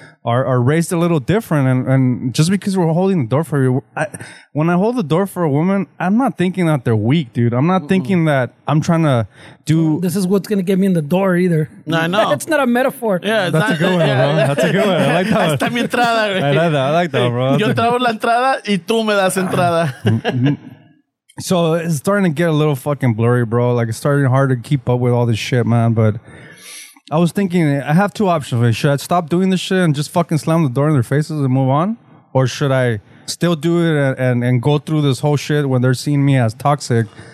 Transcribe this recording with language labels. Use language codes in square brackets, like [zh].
[en] are raised a little different and just because we're holding the door for you, when I hold the door for a woman, I'm not thinking that they're weak, dude. I'm not thinking that I'm trying to do... This is what's going to get me in the door either. No, I know. It's not a metaphor. Yeah, that's a good one, bro. That's a good one. I like that one. [es] Esta mi entrada, [en] güey. I like that. I like that, bro. [es] Yo trago la entrada y tú me das entrada. [en] So it's starting to get a little fucking blurry, bro. Like it's starting hard to keep up with all this shit, man, but... I was thinking, I have two options. Should I stop doing this shit and just fucking slam the door in their faces and move on? Or should I still do it and go through this whole shit when they're seeing me as toxic?